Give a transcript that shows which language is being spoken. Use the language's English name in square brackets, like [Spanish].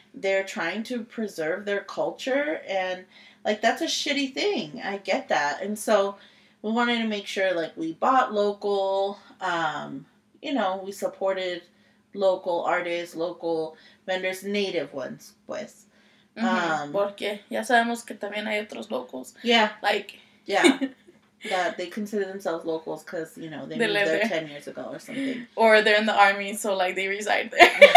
[English] they're trying to preserve their culture and, like, that's a shitty thing. I get that. And so we wanted to make sure, like, we bought local, you know, we supported local artists, local vendors, native ones, pues. Mm-hmm. [Spanish] Porque ya sabemos que también hay otros locals. [English] Yeah. Like. Yeah. That they consider themselves locals because, you know, they moved there 10 years ago or something. Or they're in the army, so, like, they reside there.